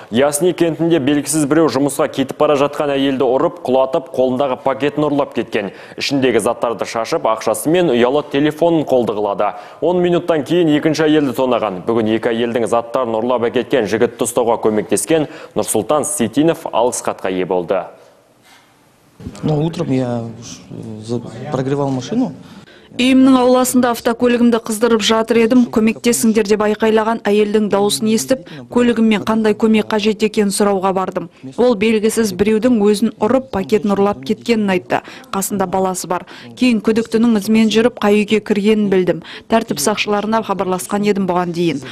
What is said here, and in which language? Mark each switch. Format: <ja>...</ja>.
<kk>Ясни кентінде белгісіз біреу жұмысқа кетіп бара жатқан әйелді ұрып, құлатып, қолындағы пакетін ұрлап кеткен. Ішіндегі заттарды шашып, ақшасы мен ұялы телефонын қолдығылады. 10 минуттан кейін екінші әйелді тонаған. Бүгін екі әйелдің заттарын ұрлап әкеткен жігітті ұстауға көмектескен Нұрсұлтан Сетинов алғыс хатқа ие болды.</kk> <ru>Но утром я прогревал машину.</ru> <kk>Үйімнің ауласында автокөлігімді қыздырып жатыр едім, көмектесіңдер деп айқайлаған әйелдің дауысын естіп, көлігіммен қандай көмек қажет екенін сұрауға бардым. Ол белгісіз біреудің өзін ұрып, пакетін ұрлап кеткенін айтты. Қасында баласы бар. Кейін күдіктінің ізімен жүріп, қай үйге кіргенін білдім. Тәртіп сақшыларына хабарласқан едім бұған дейін.</kk>